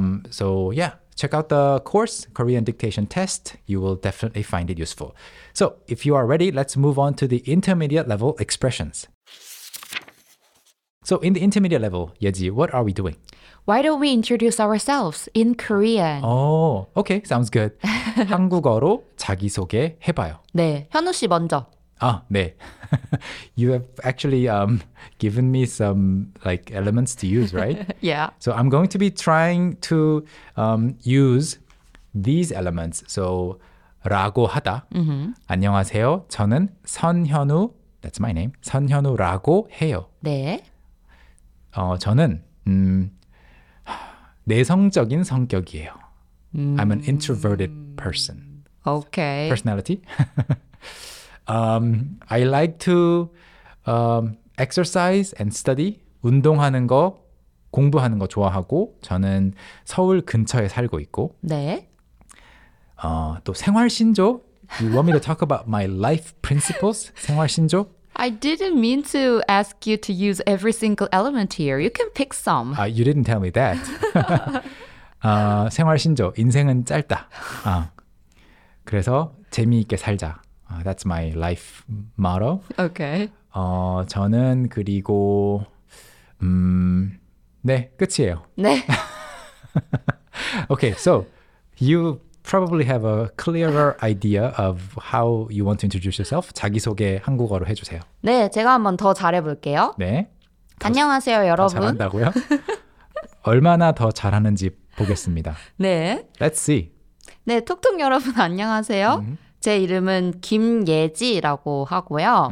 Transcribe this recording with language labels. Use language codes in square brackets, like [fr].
[en] So yeah, check out the course, Korean Dictation Test. You will definitely find it useful. So if you are ready, let's move on to the intermediate level expressions. So in the intermediate level, Yeji, what are we doing? Why don't we introduce ourselves in Korean? Oh, okay, sounds good. [ko] 한국어로 자기소개 해봐요. 네, 현우 씨 먼저. 아, 네. [en] You have actually given me some like elements to use, right? Yeah. So I'm going to be trying to use these elements. So 라고 하다. Mm-hmm. [ko] 안녕하세요. 저는 선현우. [en] That's my name. [ko] 선현우라고 해요. 네. 저는 내성적인 성격이에요. [en] I'm an introverted person. Okay. Personality. I like to exercise and study. [ko] 운동하는 거, 공부하는 거 좋아하고 저는 서울 근처에 살고 있고. 네. 또 생활신조. [en] You want me to talk about my life principles? [ko] 생활신조? [en] I didn't mean to ask you to use every single element here. You can pick some. You didn't tell me that. 생활신조. [ko] 인생은 짧다. 그래서 재미있게 살자. [en] That's my life motto. Okay. [ko] 저는 그리고 네, 끝이에요. 네. [en] Okay, so you probably have a clearer idea of how you want to introduce yourself. [ko] 자기소개 한국어로 해주세요. 네, 제가 한번 더 잘해볼게요. 네. 안녕하세요, 여러분. 더 잘한다고요? 얼마나 더 잘하는지 보겠습니다. 네. [en] Let's see. [ko] 네, 톡톡 여러분 안녕하세요. 제 이름은 김예지라고 하고요.